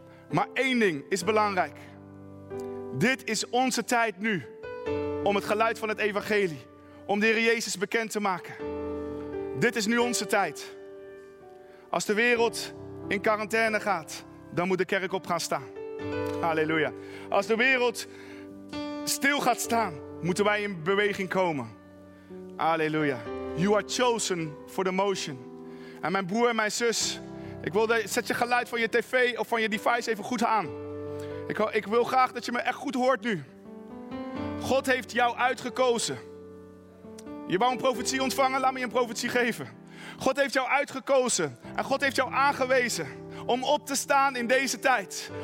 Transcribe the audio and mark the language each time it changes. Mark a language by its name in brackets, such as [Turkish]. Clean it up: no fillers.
[Dutch] Maar één ding is belangrijk. Dit is onze tijd nu om het geluid van het evangelie, om de Heer Jezus bekend te maken. Dit is nu onze tijd. Als de wereld in quarantaine gaat, dan moet de kerk op gaan staan. Halleluja. Als de wereld stil gaat staan, moeten wij in beweging komen. Halleluja. [English] You are chosen for the motion. [Dutch] En mijn broer en mijn zus, zet je geluid van je tv of van je device even goed aan. Ik wil graag dat je me echt goed hoort nu. God heeft jou uitgekozen. Je wou een profetie ontvangen, laat me je een profetie geven. God heeft jou uitgekozen en God heeft jou aangewezen om op te staan in deze tijd.